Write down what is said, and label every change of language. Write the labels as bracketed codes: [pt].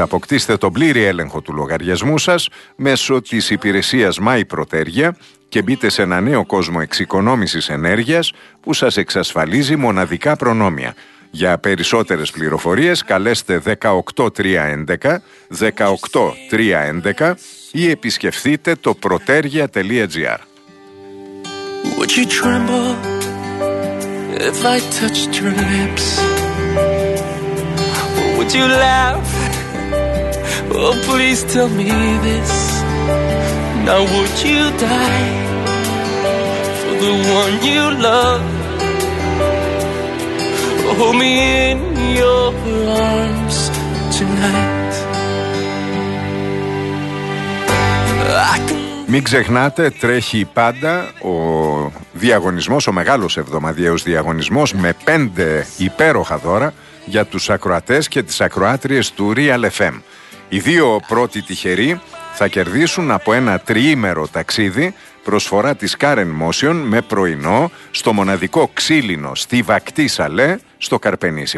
[el] Αποκτήστε τον πλήρη έλεγχο του λογαριασμού σας μέσω της υπηρεσίας My Πρωτέργεια και μπείτε σε ένα νέο κόσμο εξοικονόμησης ενέργειας που σας εξασφαλίζει μοναδικά προνόμια. Για περισσότερες πληροφορίες καλέστε 18311 ή επισκεφτείτε το protergia.gr. [en] Would you tremble if I touched your lips? Or would you laugh? Oh, please tell me this. Now would you die for the one you love. Hold me in your arms tonight. [el] Μην ξεχνάτε, τρέχει πάντα ο διαγωνισμός, ο μεγάλος εβδομαδιαίος διαγωνισμός με πέντε υπέροχα δώρα για τους ακροατές και τις ακροάτριες του Real FM. Οι δύο πρώτοι τυχεροί θα κερδίσουν από ένα τριήμερο ταξίδι προσφορά της Karen Motion με πρωινό στο μοναδικό ξύλινο στη Βακτή Σαλέ στο Καρπενήσι.